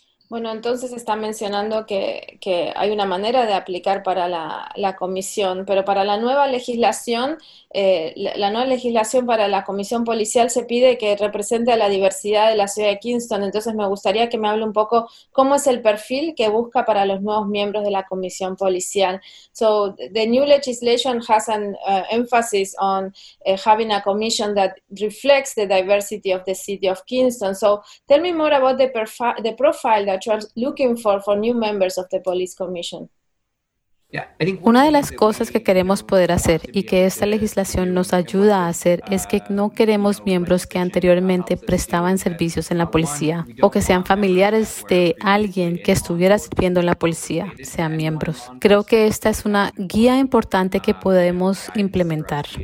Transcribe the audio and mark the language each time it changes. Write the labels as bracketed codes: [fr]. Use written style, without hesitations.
[es] Bueno, entonces está mencionando que hay una manera de aplicar para la comisión, pero para la nueva legislación, la nueva legislación para la comisión policial se pide que represente a la diversidad de la ciudad de Kingston. Entonces me gustaría que me hable un poco cómo es el perfil que busca para los nuevos miembros de la comisión policial. [en] So the new legislation has an emphasis on having a commission that reflects the diversity of the city of Kingston. So tell me more about the profile that you're looking for new members of the police commission. [es] Una de las cosas que queremos poder hacer y que esta legislación nos ayuda a hacer es que no queremos miembros que anteriormente prestaban servicios en la policía o que sean familiares de alguien que estuviera sirviendo en la policía, sean miembros. Creo que esta es una guía importante que podemos implementar.